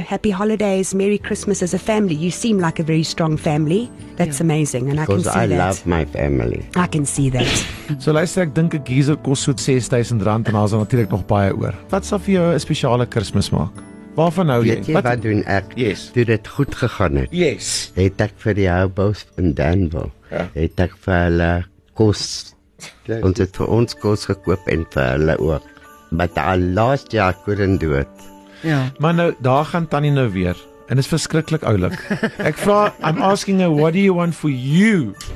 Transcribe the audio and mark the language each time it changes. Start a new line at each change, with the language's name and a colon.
English: Happy holidays, Merry Christmas as a family. You seem like a very strong family. That's amazing. And I can see that. Because I love my family. I can see that.
Afrikaans: So luister, ek dink 'n geyser kos so 6,000 rand en daar's natuurlik nog baie oor. Wat sal vir jou 'n spesiale Kersfees maak? Waarvan nou weet jy? Wat doen ek?
English: Yes.
Afrikaans: Toe dit goed gegaan het.
English: Yes.
Afrikaans: Het ek vir die Houbos in Danville. Ja. Het ek vir hulle kos. Ons het vir ons kos gekoop en vir hulle ook.
English: But our last year couldn't do it.
Afrikaans: Ja. Maar nou, daar gaan tannie nou weer. En dit is verskriklik oulik. Ek vra,
English: I'm asking her, what do you want for you?